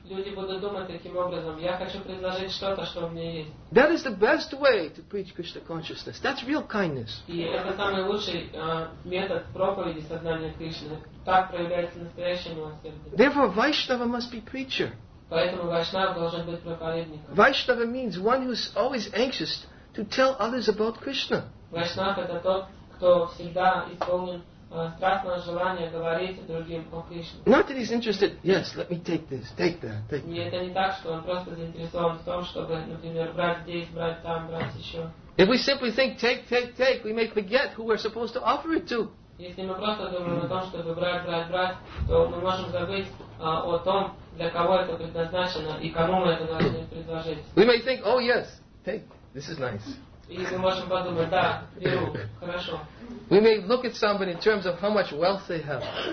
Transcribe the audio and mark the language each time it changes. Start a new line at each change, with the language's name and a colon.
Russian: Люди будут думать таким образом. Я хочу предложить что-то, что у меня есть.
English: That is the best way to preach Krishna consciousness. That's real kindness.
Russian: И это самый лучший метод проповеди сознания Кришны. Так проявляется настоящее милосердие.
English: Therefore, Vaishnava must be preacher.
Russian: Поэтому Вайшнава должен быть проповедником.
English: Vaishnava means one who is always anxious to tell others about Krishna.
Russian: Вайшнав это тот, кто всегда исполнен страстного желания говорить другим о Кришне.
English: Not that he's interested, yes, let me take this, take that, take that.
Russian: Нет, это не так, что он просто заинтересован в том, чтобы, например, брать здесь, брать там, брать еще.
English: If we simply think, take, take, take, we may forget who we're supposed to offer it to.
Russian: Если мы просто думаем о том, чтобы брать, брать, брать, то мы можем забыть о том, для кого это предназначено и кому мы это должны предложить.
English: We may think, oh yes, take. This is nice. We may look at somebody in terms of how much wealth they have.